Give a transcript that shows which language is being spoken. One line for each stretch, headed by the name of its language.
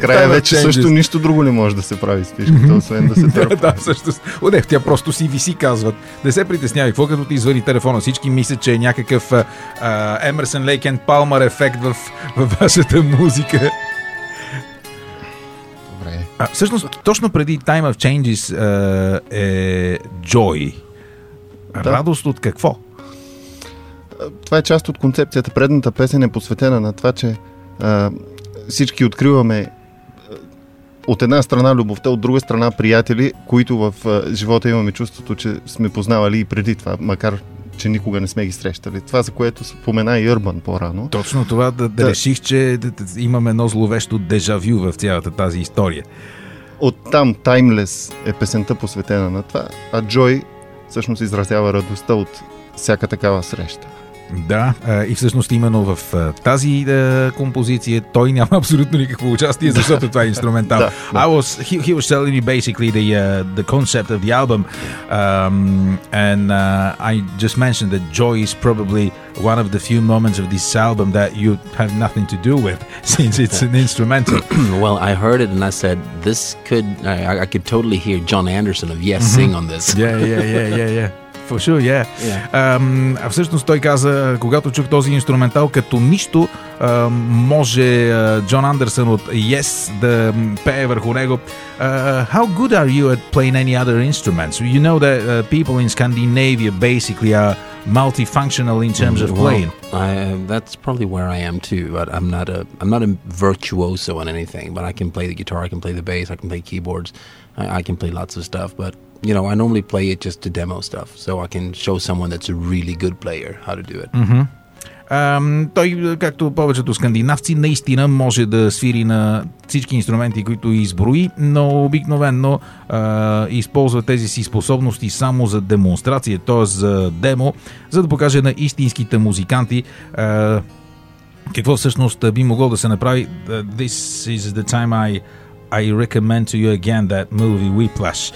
Bulgarian: края вече changes? Също нищо друго не може да се прави с пишката, освен да се дърпа. Да, всъщност. Оде, тя просто си виси, казват. Не се притеснявай, какво като ти извади телефона. Всички мислят, че е някакъв Emerson, Lake and Palmer ефект в вашата музика. Добре. Всъщност, точно преди Time of Changes е Joy. Да. Радост от какво? Това е част от концепцията. Предната песен е посветена на това, че всички откриваме от една страна любовта, от друга страна приятели, които в живота имаме чувството, че сме познавали и преди това, макар че никога не сме ги срещали. Това, за което спомена и Urban по-рано. Точно това да реших, че имаме едно зловещо дежавю в цялата тази история. От там Timeless е песента посветена на това, а Joy всъщност изразява радостта от всяка такава среща. Да, и всъщност именно в тази композиция той няма абсолютно никакво участие, защото това е инструментал. Да.
English: He was telling me basically the concept of the album and I just mentioned that Joy is probably one of the few moments of this album that you have nothing to do with since it's an instrumental. Well, I heard it and I said this could I could totally hear John Anderson of Yes sing on this. Yeah. For sure, yeah.
Bulgarian: Всъщност той каза, когато чух този инструментал, като нищо може Джон Андерсон от Yes да пее върху него.
English: How good are you at playing any other instruments? You know that people in Scandinavia basically are multifunctional in terms of playing. Well, that's probably where I am too, but I'm not a virtuoso in anything, but I can play the guitar, I can play the bass, I can play keyboards, I can play lots of stuff, but you know, I normally play it just to demo stuff, so I can show someone that's a really good player how to do it. Mm-hmm.
Bulgarian: Той, както повечето скандинавци, наистина може да свири на всички инструменти, които изброи, но обикновено използва тези си способности само за демонстрация, т.е. за демо, за да покаже на истинските музиканти какво всъщност би могло да се направи.
English: This is the time I recommend to you again that movie Whiplash.